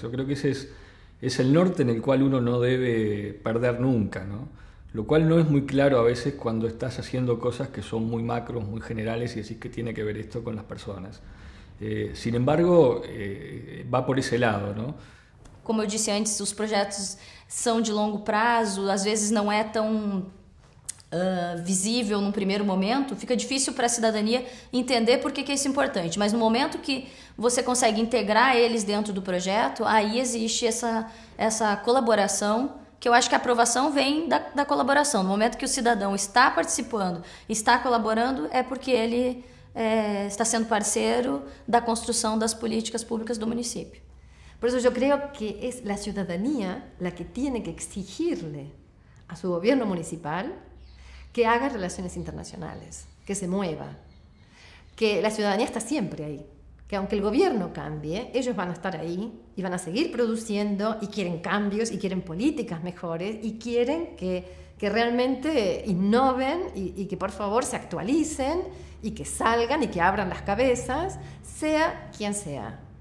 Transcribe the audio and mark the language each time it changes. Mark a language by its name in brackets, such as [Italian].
[Spanish] Yo creo que ese es el norte en el cual uno no debe perder nunca, ¿no? Lo cual no es muy claro a veces cuando estás haciendo cosas que son muy macros, muy generales y decís que tiene que ver esto con las personas. Sin embargo, va por ese lado, ¿no? [Portuguese] Como eu disse antes, os projetos são de longo prazo, às vezes não é tão visível num primeiro momento, fica difícil para a cidadania entender por que que é isso importante. Mas no momento que você consegue integrar eles dentro do projeto, aí existe essa colaboração, que eu acho que a aprovação vem da colaboração. No momento que o cidadão está participando, está colaborando, é porque ele está sendo parceiro da construção das políticas públicas do município. [Spanish] Por eso yo creo que es la ciudadanía la que tiene que exigirle a su gobierno municipal que haga relaciones internacionales, que se mueva, que la ciudadanía está siempre ahí, que aunque el gobierno cambie, ellos van a estar ahí y van a seguir produciendo y quieren cambios y quieren políticas mejores y quieren que realmente innoven y que por favor se actualicen y que salgan y que abran las cabezas, sea quien sea.